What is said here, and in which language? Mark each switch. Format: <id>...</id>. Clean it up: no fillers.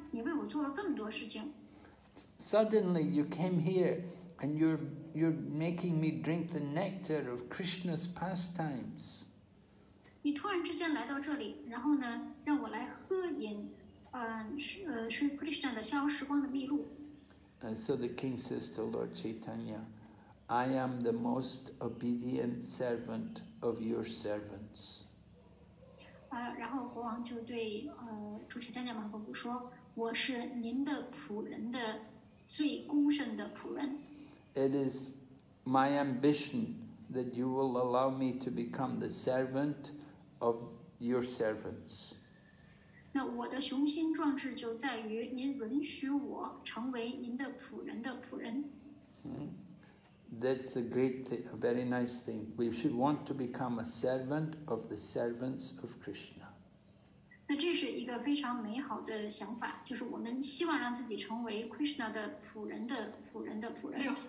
<zh>你为我做了这么多事情。”</zh> <en>Suddenly you came here, and you're making me drink the nectar of Krishna's pastimes.</en> <zh>你突然之间来到这里，然后呢，让我来喝饮，是 Krishna 的逍遥时光的蜜露。</zh> <en>So the king says to Lord Chaitanya, "I am the most obedient servant of your servants."</en> <zh>然后国王就对主持丹加马布说：“我是您的仆人的最恭顺的仆人。”</zh> <en>It is my ambition that you will allow me to become the servant of your servants.</en> <zh>那我的雄心壮志就在于您允许我成为您的仆人的仆人。</zh> <en>That's a great thing, a very nice thing. We should want to become a servant of the servants of Krishna.</en> <zh>那这是一个非常美好的想法，就是我们希望让自己成为 Krishna 的仆人的仆人的仆人。</zh>